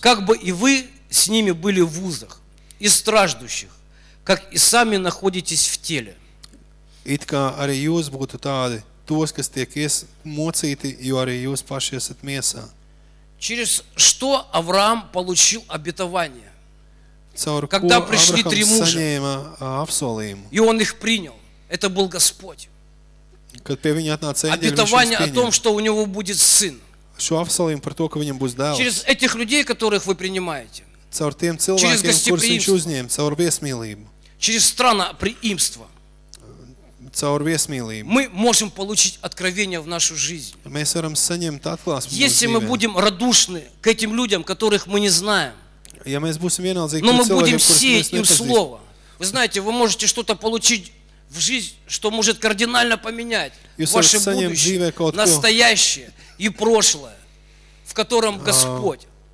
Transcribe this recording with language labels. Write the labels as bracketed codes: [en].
[ru] Как бы и вы с ними были в узах и страждущих, как и сами находитесь в теле. [lv] It kā arī jūs būtu tādi, tos, kas tiek iesmocīti, jo arī jūs paši esat miesā. [ru] Через что Авраам получил обетование? [lv] Caur ko Abrahams saņēma apsolījumu? [ru] И он их принял. Это был Господь. [lv] Kad pie viņa atnāca eņģeļi, [ru] обетование о том, что у него будет сын. [lv] Šo apsolījumu par to, ka viņam būs dēls. [ru] Через этих людей, которых вы принимаете. [lv] Caur tiem cilvēkiem, kurus viņš uzņēma, caur viesmīlību. [ru] Через страна приимства. [lv] Caur viesmīlību. [ru] Мы можем получить откровение в нашу жизнь. [lv] Mēs varam saņemt atklāsmi mūsu dzīvē. [ru] Если мы будем радушны к этим людям, которых мы не знаем. [lv] Ja mēs būsim vienaldzīgi tiem cilvēkiem, kurus mēs nepazīstam. [ru] Но мы будем сеять им слово. Вы знаете, вы можете что-то получить в жизнь, что может кардинально поменять ваше будущее, настоящее и прошлое, в котором Господь.